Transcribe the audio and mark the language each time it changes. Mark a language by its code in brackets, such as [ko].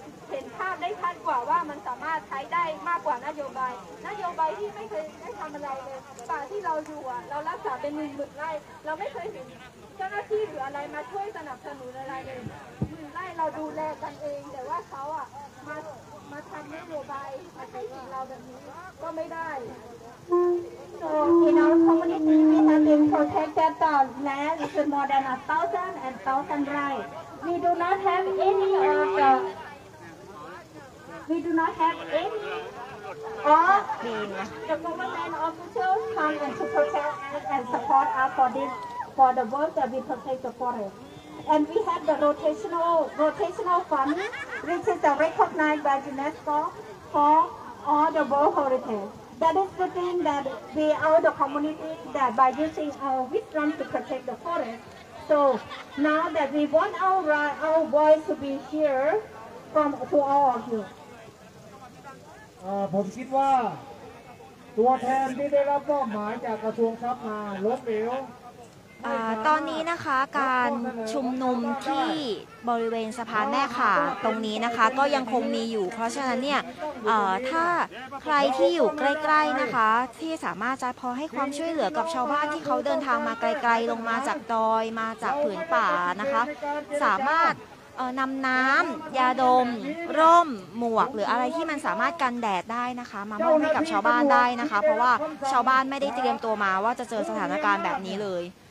[th] เห็นภาพได้ชัดกว่าว่ามันสามารถใช้ได้มากกว่านโยบายนโยบายที่ไม่เคยได้ทำอะไรเลยป่าที่เราอยู่อ่ะเรารักษาเป็นหมื่นไร่เราไม่เคยเห็นเจ้าหน้าที่หรืออะไรมาช่วยสนับสนุนอะไรเลยเราดูแลกันเองแต่ว่าเขาอ่ะมาทำนโยบายมาใช้สิทธิ์เราแบบนี้ก็ไม่ได้ [en] So in our community we have been protected the land is more than 1,000 rights. We do not have any of the government officials come and to protect and support us for the work that we protect the forest. And we have the rotational fund, which is recognized by UNESCO for all the world heritage. That is the thing that we owe the community that by using our wisdom to protect the forest. So now that we want our voice to be here from to all of you. [th] ผมคิดว่าตัวแทนที่ได้รับมอบหมายจากกระทรวงทรัพย์มาลดเร็ว ตอนนี้นะคะการชุมนุมที่บริเวณสะพานแม่ข่าตรงนี้นะคะก็ยังคงมีอยู่เพราะฉะนั้นเนี่ยถ้าใครที่อยู่ใกล้ๆนะคะที่สามารถจะพอให้ความช่วยเหลือกับชาวบ้านที่เขาเดินทางมาไกลๆลงมาจากดอยมาจากผืนป่านะคะสามารถนำน้ำยาดมร่มหมวกหรืออะไรที่มันสามารถกันแดดได้นะคะมามอบให้กับชาวบ้านได้นะคะเพราะว่าชาวบ้านไม่ได้เตรียมตัวมาว่าจะเจอสถานการณ์แบบนี้เลย